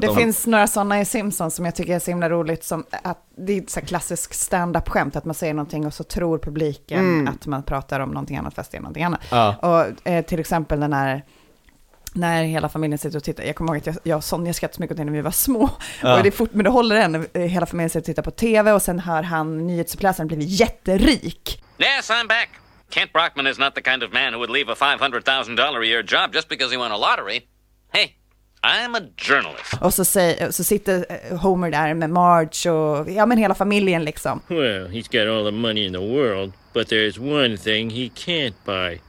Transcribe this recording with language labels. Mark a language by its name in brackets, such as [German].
[Swedish] det finns några sådana i Simpsons som jag tycker är så himla roligt, som att det är så klassisk stand-up skämt att man säger någonting och så tror publiken att man pratar om någonting annat fast det är någonting annat. Ja. Och till exempel den här, när hela familjen sitter och tittar. Jag kommer ihåg att jag och Sonja skrattade så mycket när vi var små. Ja. Och det är fort, men det håller än. Hela familjen sitter och tittar på TV och sen hör han nyhetsuppläsaren blivit jätterik. [English] Yes, I'm back. Kent Brockman is not the kind of man who would leave a $500,000 a year job just because he won a lottery. Hey, I'm a journalist. [Swedish] Och så sitter Homer där med Marge och ja, men hela familjen liksom. [English] Well, he's got all the money in the world, but there's one thing he can't buy.